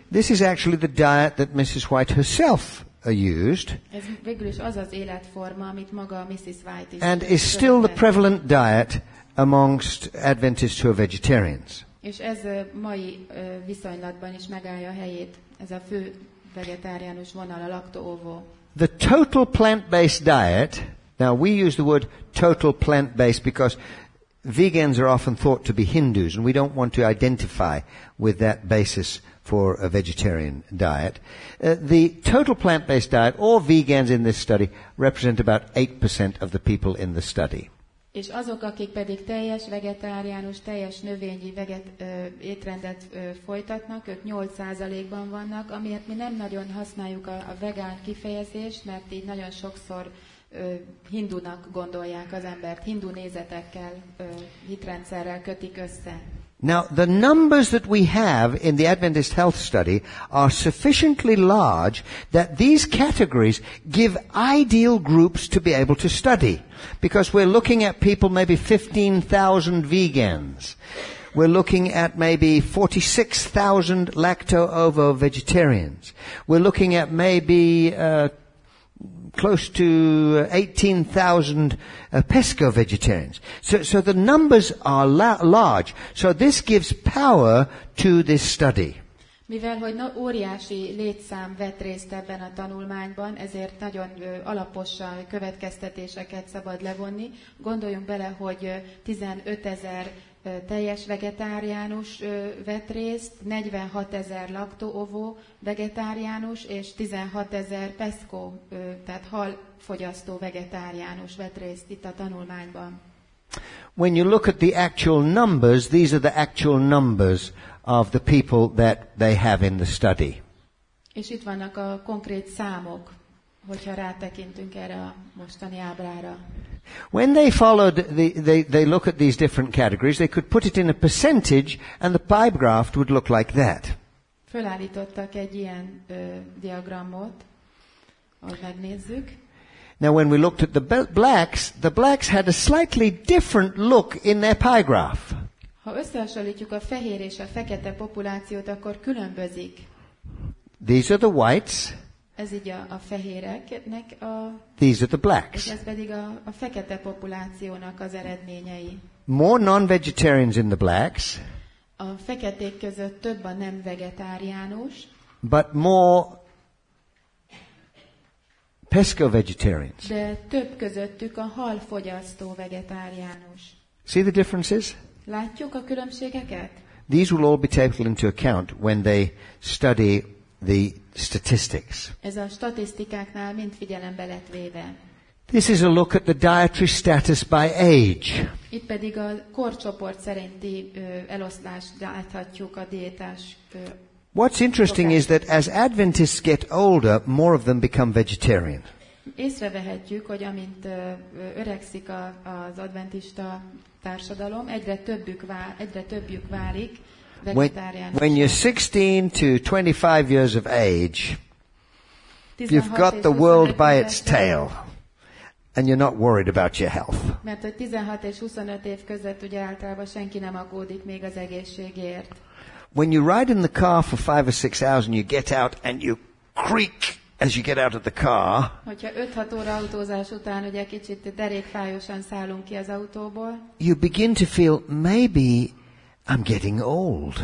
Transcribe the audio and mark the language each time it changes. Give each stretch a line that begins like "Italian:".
English: This is actually the diet that Mrs. White herself used.
Hungarian: Ez végül is az az életforma, amit maga Mrs. White is.
English: And is still the prevalent diet amongst Adventists who are vegetarians.
Hungarian: És ez a mai viszonylatban is megállja a helyét, ez a fő vegetáriánus vonal, a lacto-ovo.
English: The total plant-based diet. Now we use the word total plant-based because vegans are often thought to be Hindus and we don't want to identify with that basis for a vegetarian diet. The total plant-based diet, or vegans in this study, represent about 8% of the people in the study.
Hungarian: És azok, akik pedig teljes vegetáriánus, teljes növényi étrendet folytatnak, ők 8%-ban vannak, amiért mi nem nagyon használjuk a vegán kifejezést, mert így nagyon sokszor hindunak gondolják az embert, hindu nézetekkel, hitrendszerrel kötik össze.
English: Now, the numbers that we have in the Adventist Health Study are sufficiently large that these categories give ideal groups to be able to study. Because we're looking at people, maybe 15,000 vegans. We're looking at maybe 46,000 lacto-ovo vegetarians. We're looking at maybe close to 18,000 pesco vegetarians. So the numbers are large. So this gives power to this study.
Hungarian: Mivel hogy óriási létszám vett részt ebben a tanulmányban, ezért nagyon alapos következtetéseket szabad levonni. Gondoljunk bele, hogy 15,000 teljes vegetáriánus vett részt, 46,000 lacto-ovo vegetáriánus és 16,000 pesco, tehát halfogyasztó vegetáriánus vett részt itt a tanulmányban.
English: When you look at the actual numbers, these are the actual numbers of the people that they have in the study.
Hungarian: És itt vannak a konkrét számok, hogyha rátekintünk erre a mostani ábrára.
English: When they followed they look at these different categories, they could put it in a percentage and the pie graph would look like that.
Hungarian: Fölállítottak egy ilyen diagramot, ahogy megnézzük.
English: Now when we looked at the blacks had a slightly different look in their pie graph.
Hungarian: Ha összehasonlítjuk a fehér és a fekete populációt, akkor különbözik.
English: These are the whites.
Hungarian: Ez így a fehéreknek a.
English: These are the blacks.
Hungarian: Ez pedig a fekete populációnak az eredményei.
English: More non-vegetarians in the blacks.
Hungarian: A feketék között több a nem vegetáriánus.
English: But more pesco vegetarians.
Hungarian: De több közöttük a halfogyasztó vegetáriánus.
English: See the differences?
Hungarian: Látjuk a különbségeket?
English: These will all be taken into account when they study the statistics.
Hungarian: Ez a statisztikáknál mind figyelembe lett véve.
English: This is a look at the dietary status by age.
Hungarian: Itt pedig a korcsoport szerinti eloszlást láthatjuk a diétás.
English: What's interesting is that as Adventists get older, more of them become vegetarian.
Hungarian: Észrevehetjük, hogy amint öregszik az adventista társadalom, egyre többjük válik.
English: When you're 16 to 25 years of age, you've got the world by its tail, and you're not worried about your health.
Hungarian: Mert a 16 és 25 év között ugye általában senki nem aggódik még az egészségért.
English: When you ride in the car for 5 or 6 hours and you get out and you creak as you get out of the car.
Hungarian: Hogyha 5-6 óra autózás után ugye kicsit derékfájósan szállunk ki az autóból.
English: You begin to feel maybe I'm getting old.